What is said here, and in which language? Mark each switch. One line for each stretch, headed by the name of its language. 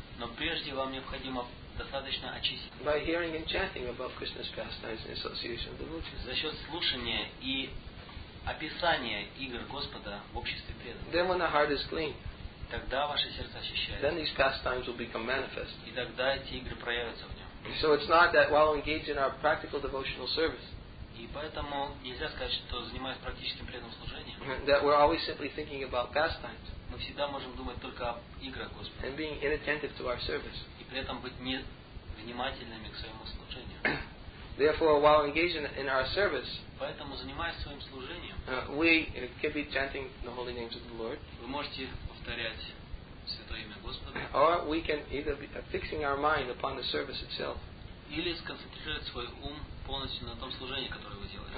Russian: Но прежде вам необходимо достаточно очистить.
English: By hearing and chanting about Krishna's pastimes in association of devotees.
Russian: За счет слушания и описания игр Господа в обществе преданных.
English: Then when the heart is clean.
Russian: Тогда ваше сердце очищается.
English: Then these pastimes will become manifest.
Russian: И тогда эти игры проявятся в нем.
English: So it's not that while engaged in our practical devotional service.
Russian: И поэтому нельзя сказать, что занимаясь практическим преданным служением.
English: That we're always simply thinking about pastimes.
Russian: Мы всегда можем думать только об играх Господа.
English: And being inattentive to our service.
Russian: И при этом быть не внимательными к своему служению.
English: Therefore, while engaged in our service.
Russian: Поэтому занимаясь своим служением.
English: We can be chanting the holy names of the Lord.
Russian: Вы можете повторять. Святое имя Господа.
English: Or we can either be fixing our mind upon the service itself.
Russian: Или сконцентрировать свой ум полностью на том служении, которое вы делаете.